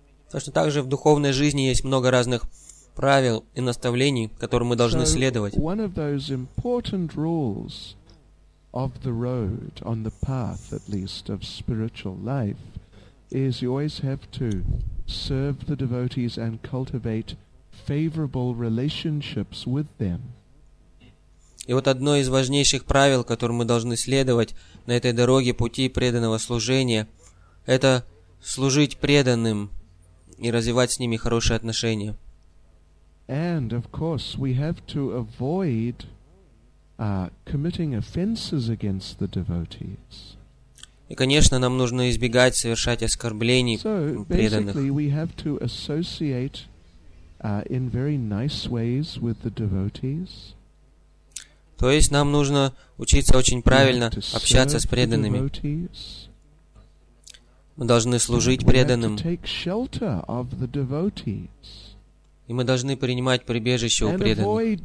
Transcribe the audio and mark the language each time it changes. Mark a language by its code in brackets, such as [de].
[ru] Точно так же в духовной жизни есть много разных правил и наставлений, которым мы должны следовать. [en] One of those important rules of the road, on the path, at least, of spiritual life, is you always have to serve the devotees and cultivate favorable relationships with them. [ru] И вот одно из важнейших правил, которым мы должны следовать на этой дороге пути преданного служения, это служить преданным и развивать с ними хорошие отношения. [en] And, of course, we have to avoid committing offenses against the devotees. [ru] И, конечно, нам нужно избегать совершать оскорблений преданных. [en] So, basically, we have to associate in very nice ways with the devotees. [ru] То есть нам нужно учиться очень правильно общаться с преданными. Мы должны служить преданным. [en] Take shelter of the devotees. [ru] И мы должны принимать прибежище у преданных.